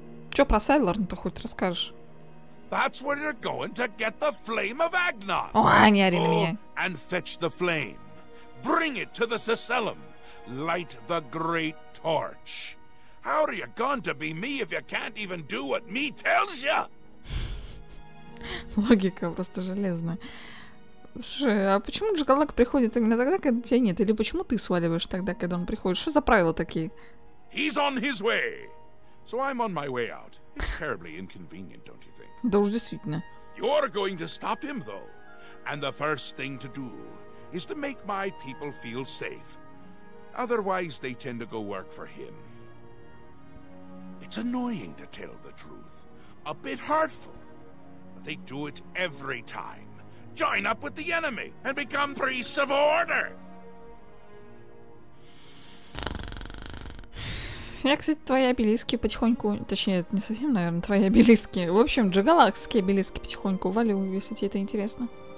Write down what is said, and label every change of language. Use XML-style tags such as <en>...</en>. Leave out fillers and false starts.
<ru>Что про Сайларн-то хоть расскажешь?</ru> <en>That's where you're going to get the flame of Agnon.</en> <ru>Oh, не ори на меня.</ru> <en>And fetch the flame. Bring it to the Sacellum. Light the great torch. How are you going to be me if you can't even do what me tells you?</en> <ru>Логика просто железная. Слушай, а почему Джигалак приходит именно тогда, когда тебя нет? Или почему ты сваливаешь тогда, когда он приходит? Что за правила такие?</ru> <en>He's on his way. So I'm on my way out. It's terribly inconvenient, don't you think?</en> <ru>Да уж действительно.</ru> <en>You're going to stop him, though. And the first thing to do is to make my people feel safe. Otherwise, they tend to go work for him. It's annoying to tell the truth. A bit hurtful. But they do it every time. Join up with the enemy and become priests of order!</en> <ru>Я, кстати, твои обелиски потихоньку... Точнее, это не совсем, наверное, твои обелиски. В общем, джигалакские обелиски потихоньку валю, если тебе это интересно.</ru>